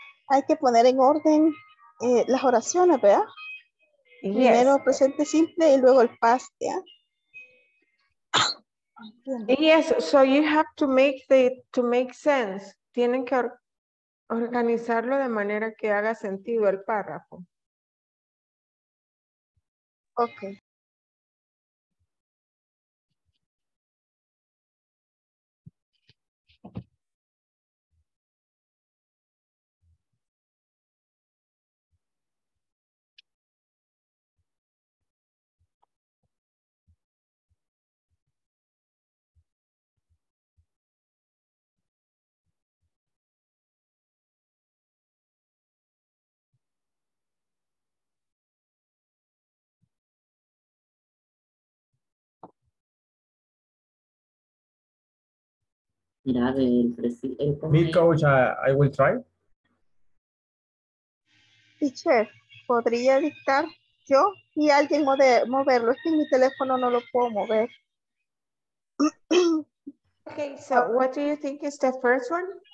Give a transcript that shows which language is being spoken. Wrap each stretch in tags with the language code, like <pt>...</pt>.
<es>Hay que poner en orden las oraciones, ¿verdad?</es> <en>Yes.</en> <es>Primero presente simple y luego el past, ¿verdad?</es> <en>Yes, so you have to make the to make sense.</en> <es>Tienen que organizarlo de manera que haga sentido el párrafo.</es> <en>Okay. Me, coach, I will try.</en> <es>Teacher, ¿podría dictar yo y alguien moverlo? Es que mi teléfono no lo puedo mover.</es> <en>Okay, so what do you think is the first one?</en>